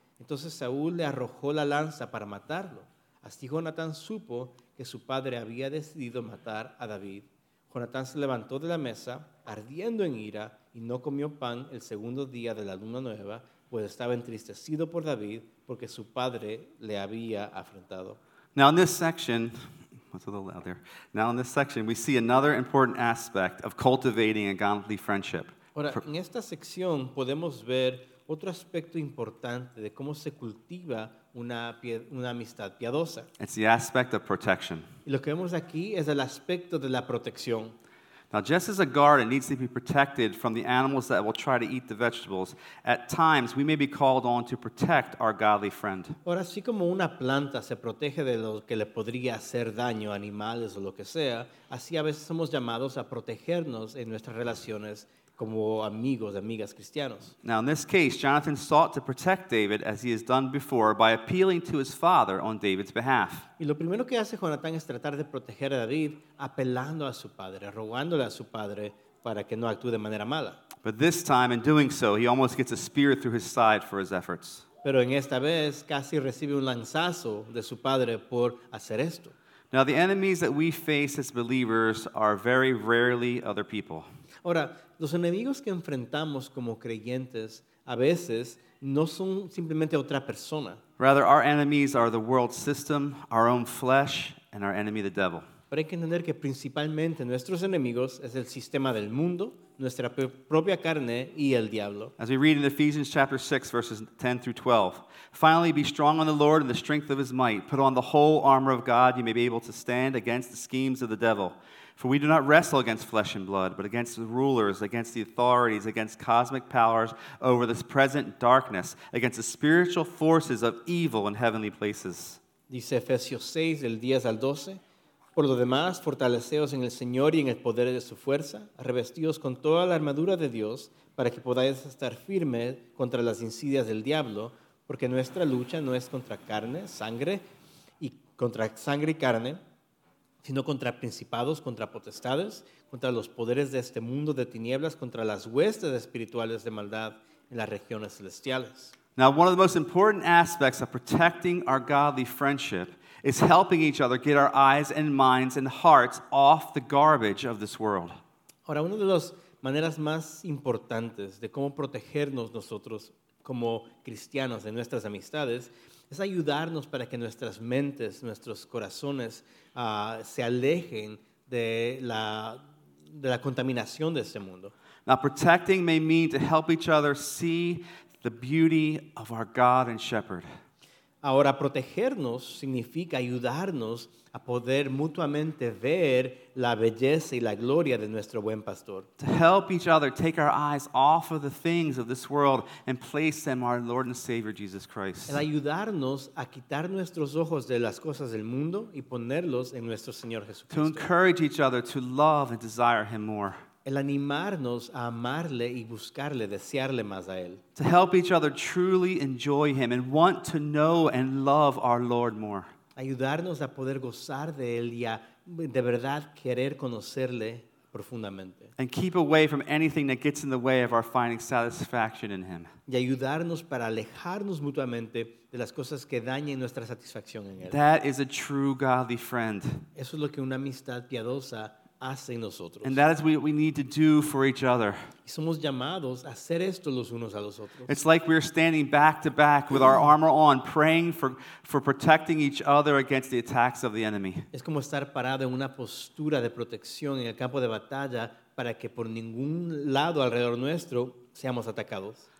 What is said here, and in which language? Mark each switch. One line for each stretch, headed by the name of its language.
Spanish: Entonces Saúl le arrojó la lanza para matarlo. Así Jonatán supo que su padre había decidido matar a David. Jonatán se levantó de la mesa, ardiendo en ira, y no comió pan el segundo día de la luna nueva, pues estaba entristecido por David, porque su padre le había afrentado.
English: Now in this section, what's a little loud there? Now in this section, we see another important aspect of cultivating a godly friendship.
Spanish: Ahora, en esta sección podemos ver otro aspecto importante de cómo se cultiva una amistad piadosa.
English: It's the aspect of protection.
Spanish: Y lo que vemos aquí es el aspecto de la protección.
English: Now, just as a garden needs to be protected from the animals that will try to eat the vegetables, at times we may be called on to protect our godly friend.
Spanish: Ahora, así como una planta se protege de lo que le podría hacer daño, animales o lo que sea, así a veces somos llamados a protegernos en nuestras relaciones como amigos, amigas cristianos.
English: Now, in this case, Jonathan sought to protect David as he has done before by appealing to his father on David's behalf.
Spanish: Y lo primero que hace Jonathan es tratar de proteger a David apelando a su padre, rogándole a su padre para que no actúe de manera mala.
English: But this time, in doing so, he almost gets a spear through his side for his efforts.
Spanish: Pero en esta vez, casi recibe un lanzazo de su padre por hacer esto.
English: Now, the enemies that we face as believers are very rarely other people.
Spanish: Ahora, los enemigos que enfrentamos como creyentes a veces no son simplemente otra persona.
English: Rather, our enemies are the world system, our own flesh, and our enemy, the devil.
Spanish: Pero hay que entender que principalmente nuestros enemigos es el sistema del mundo, nuestra propia carne y el diablo.
English: As we read in Ephesians chapter 6, verses 10 through 12, finally be strong in the Lord and the strength of his might. Put on the whole armor of God, you may be able to stand against the schemes of the devil. For we do not wrestle against flesh and blood, but against the rulers, against the authorities, against cosmic powers over this present darkness, against the spiritual forces of evil in heavenly places.
Spanish: Dice Efesios 6, del 10 al 12. Por lo demás, fortaleceos en el Señor y en el poder de su fuerza, revestíos con toda la armadura de Dios para que podáis estar firmes contra las insidias del diablo, porque nuestra lucha no es contra sangre y carne, sino contra principados, contra potestades, contra los poderes de este mundo de tinieblas, contra las huestes espirituales de maldad en las regiones celestiales.
English: Now, one of the most important aspects of protecting our godly friendship is helping each other get our eyes and minds and hearts off the garbage of this world.
Spanish: Ahora, una de las maneras más importantes de cómo protegernos nosotros como cristianos de nuestras amistades es ayudarnos para que nuestras mentes, nuestros corazones se alejen de la contaminación de este mundo.
English: Now, protecting may mean to help each other see the beauty of our God and Shepherd.
Spanish: Ahora, protegernos significa ayudarnos a poder mutuamente ver la belleza y la gloria de nuestro buen pastor.
English: To help each other take our eyes off of the things of this world and place them on our Lord and Savior Jesus Christ.
Spanish: El ayudarnos a quitar nuestros ojos de las cosas del mundo y ponerlos en nuestro Señor Jesucristo.
English: To encourage each other to love and desire him more.
Spanish: el animarnos a amarle y buscarle, desearle más a él.
English: To help each other truly enjoy him and want to know and love our Lord more.
Spanish: Ayudarnos a poder gozar de él y a de verdad querer conocerle profundamente.
English: And keep away from anything that gets in the way of our finding satisfaction in him.
Spanish: Y ayudarnos para alejarnos mutuamente de las cosas que dañen nuestra satisfacción en él.
English: That is a true godly friend.
Spanish: Eso es lo que una amistad piadosa
English: And that is what we need to do for each other.
Spanish: Somos llamados a hacer esto los unos a los otros.
English: It's like we're standing back to back with our armor on, praying for protecting each other against the attacks of the enemy.
Spanish: Es como estar parado en una postura de protección en el campo de batalla para que por ningún lado alrededor nuestro seamos atacados.